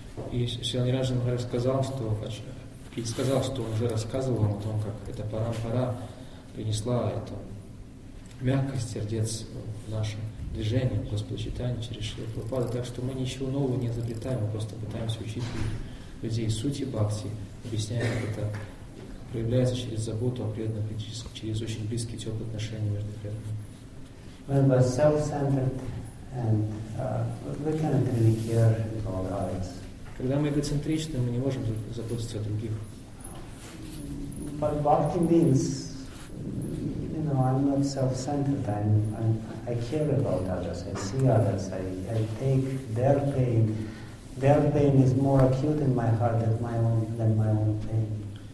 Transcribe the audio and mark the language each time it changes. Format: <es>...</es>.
<ru>И Шриниражан Махарадж сказал, что он уже рассказывал о том, как эта парампара принесла эту мягкость сердец в наше движение, в Господа Читания через Шрила Прабхупада. Так что мы ничего нового не изобретаем, мы просто пытаемся учить людей сути бхакти, объясняя, как это проявляется через заботу о преданных, через очень близкие теплые отношения между преданными.</ru> <en>When we're self-centered and we cannot really care about others.</en> <ru>Когда мы эгоцентричны, мы не можем заботиться о других.</ru> <en>But bhakti means, you know, I'm not self-centered. I care about others. I see others. I take their pain. Their pain is more acute in my heart than my own pain.</en>